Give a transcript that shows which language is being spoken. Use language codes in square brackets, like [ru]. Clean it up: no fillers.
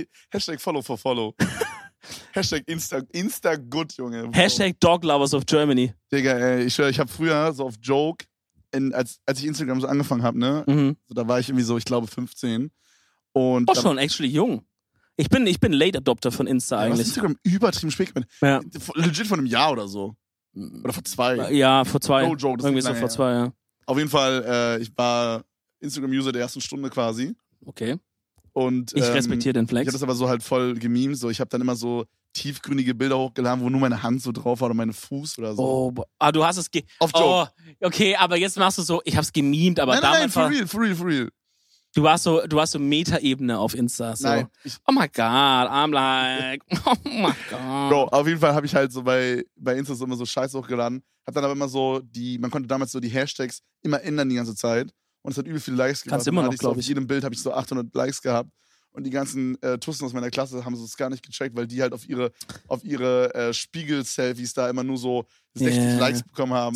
[en] Hashtag Follow for Follow. Hashtag Insta Good, Junge. Wow. Hashtag Dog Lovers of Germany. [de] Digga, ey, ich schwör, ich hab früher so auf Joke, als ich Instagram so angefangen habe, ne? Mhm. So, da war ich irgendwie so, ich glaube, 15. Und auch schon, actually jung. Ich bin Late Adopter von Insta eigentlich. Instagram übertrieben spät gemacht. Ja. Legit vor einem Jahr oder so. Oder vor zwei. Ja, vor zwei. [en] No joke, [de] irgendwie so vor zwei, ja. Auf jeden Fall, ich war Instagram-User der ersten Stunde quasi. Okay. Und ich respektiere den Flex. Ich habe das aber so halt voll gememt. So. Ich habe dann immer so tiefgrünige Bilder hochgeladen, wo nur meine Hand so drauf war oder meine Fuß oder so. Oh, du hast es auf Joke. Oh, okay, aber jetzt machst du so, ich habe es gememt, aber damals. Nein, [en] for real. [de] Du warst so Meta-Ebene auf Insta. So. Nein, [en] oh my God, I'm like, oh my God. [de] Bro, auf jeden Fall habe ich halt so bei Insta so immer so Scheiß hochgeladen. Hab dann aber immer so man konnte damals so die Hashtags immer ändern die ganze Zeit. Und es hat übel viele Likes gehabt. Immer noch, glaube ich. Auf jedem Bild habe ich so 800 Likes gehabt. Und die ganzen Tussen aus meiner Klasse haben es gar nicht gecheckt, weil die halt auf ihre Spiegel-Selfies da immer nur so 60 Likes bekommen haben.